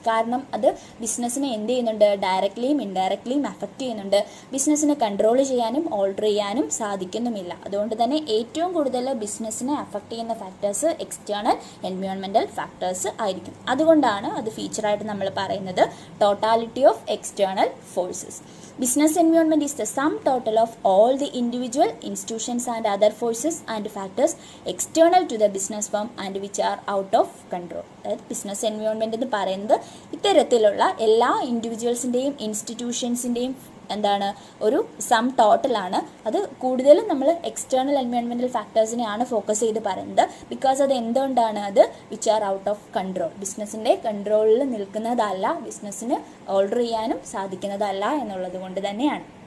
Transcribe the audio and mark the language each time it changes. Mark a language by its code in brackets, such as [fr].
[ml] കാരണം അത് ബിസിനസ്സിനെ എന്ത് ചെയ്യുന്നുണ്ട്? ഡയറക്റ്റ്ലിയും ഇൻഡയറക്റ്റ്ലിയും അഫക്റ്റ് ചെയ്യുന്നുണ്ട്. ബിസിനസ്സിനെ കൺട്രോൾ ചെയ്യാനും ഓൾട്ടർ ചെയ്യാനും സാധിക്കുന്നുമില്ല. അതുകൊണ്ട് തന്നെ ഏറ്റവും കൂടുതൽ ബിസിനസ്സിനെ അഫക്റ്റ് ചെയ്യുന്ന ഫാക്ടേഴ്സ് എക്സ്റ്റേണൽ എൻവയോൺമെൻറ്റൽ ഫാക്ടേഴ്സ് ആയിരിക്കും. അതുകൊണ്ടാണ് അത് ഫീച്ചറായിട്ട് നമ്മൾ പറയുന്നത് [en] Totality of external forces. Business environment is the sum total of all the individual institutions and other forces and factors external to the business firm and which are out of control. [ml] അതായത് business environment എന്ന് പറയുന്നത് ഇത്തരത്തിലുള്ള എല്ലാ ഇൻഡിവിജ്വൽസിൻ്റെയും ഇൻസ്റ്റിറ്റ്യൂഷൻസിൻ്റെയും എന്താണ് ഒരു some ടോട്ടലാണ്. അത് കൂടുതലും നമ്മൾ എക്സ്റ്റേണൽ എൻവയോൺമെൻറ്റൽ ഫാക്ടേഴ്സിനെയാണ് ഫോക്കസ് ചെയ്ത് പറയുന്നത്. ബിക്കോസ് അത് എന്തുകൊണ്ടാണ്? അത് [en] which are out of control, [ml] ബിസിനസ്സിൻ്റെ കൺട്രോളിൽ നിൽക്കുന്നതല്ല, ബിസിനസ്സിന് ഓൾഡർ ചെയ്യാനും സാധിക്കുന്നതല്ല എന്നുള്ളത് കൊണ്ട് തന്നെയാണ്.